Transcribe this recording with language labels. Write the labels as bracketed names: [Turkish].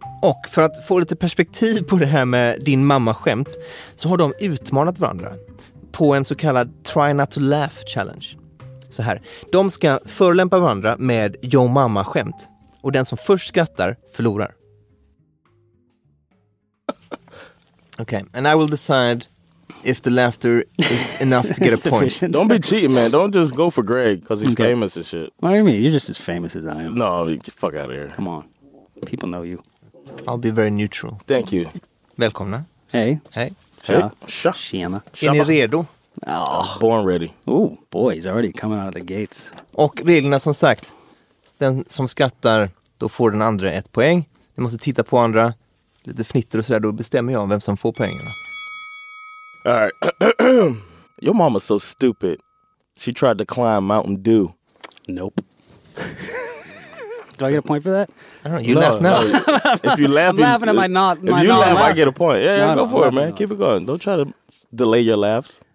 [Swedish] Och för att få lite perspektiv på det här med din mamma skämt så har de utmanat varandra på en så kallad Try Not To Laugh Challenge. Så här, de ska förelämpa varandra med Yo Mamma skämt och den som först skrattar förlorar. [English] Okay, and I will decide if the laughter is enough to get a point. Don't be cheap, man. Don't just go for Greg because he's famous and shit. What do you mean? You're just as famous as I am. No, get the fuck out of here. Come on. People know you. I'll be very neutral. Thank you. [Swedish] Välkomna. [English] Hey. Hey. [Swedish] Tja. Tjena. Är ni redo? [English] Oh. Born ready. Oh, boy, he's already coming out of the gates. [Swedish] Och reglerna som sagt, den som skrattar, då får den andra ett poäng. Ni måste titta på andra. Lite fnitter och sådär, då bestämmer jag vem som får pengarna. [English] All right. Your mama's so stupid. She tried to climb Mountain Dew. Nope. Do I get a point for that? I don't know. You laugh now. If you laugh, I'm laughing at my not. If you laugh, I get a point. Yeah, yeah, go for it, man. Keep it going. Don't try to delay your laughs.